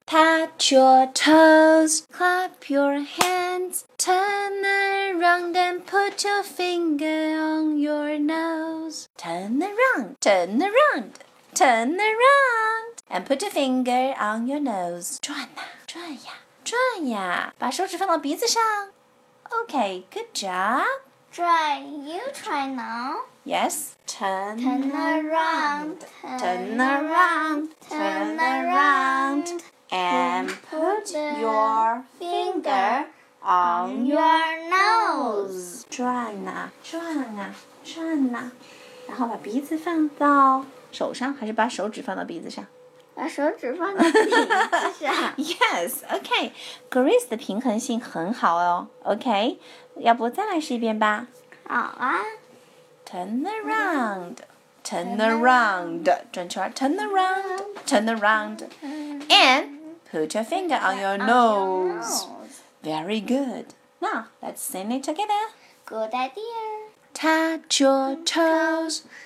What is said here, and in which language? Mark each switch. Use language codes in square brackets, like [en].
[en] Touch your toes, clap your hands, turn around and put your finger on your nose. Turn around, turn around, turn around, and put your finger on your nose. [zh] 转啊，转呀，转呀，把手指放到鼻子上。 [en] Okay, good job. Try, you try now. Yes, turn around, turn around, turn around, and put your finger on your nose. [zh] 转啊，转啊，转啊，然后把鼻子放到手上，还是把手指放到鼻子上？把手指放到鼻子上。 [en] Yes, okay. [zh] Grace 的平衡性很好哦。Okay, 要不再来试一遍吧？好啊。 [en] Turn around, turn around, [zh] 转圈 [en] turn around, turn around, and put your finger on your nose. Very good. Now, let's sing it together. Good idea. Touch your toes.